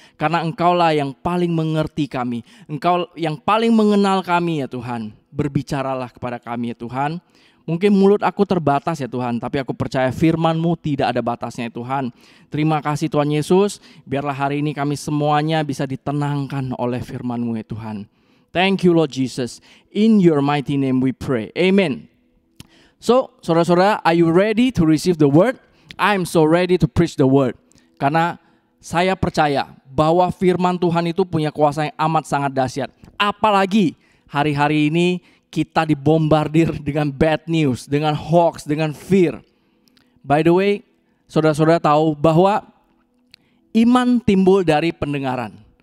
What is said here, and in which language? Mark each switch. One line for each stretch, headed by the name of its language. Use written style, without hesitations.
Indonesian: Karena Engkaulah yang paling mengerti kami. Engkau yang paling mengenal kami ya Tuhan. Berbicaralah kepada kami ya Tuhan. Mungkin mulut aku terbatas ya Tuhan, tapi aku percaya firman-Mu tidak ada batasnya ya Tuhan. Terima kasih Tuhan Yesus, biarlah hari ini kami semuanya bisa ditenangkan oleh firman-Mu ya Tuhan.
English: Thank you Lord Jesus, in your mighty name we pray. Amen. So,
Indonesian: saudara-saudara,
English: are you ready to receive the word? I'm so ready to preach the word.
Indonesian: Karena saya percaya bahwa firman Tuhan itu punya kuasa yang amat sangat dahsyat. Apalagi hari-hari ini kita dibombardir dengan bad news, dengan hoax, dengan fear.
English: By the way,
Indonesian: saudara-saudara tahu bahwa iman timbul dari pendengaran.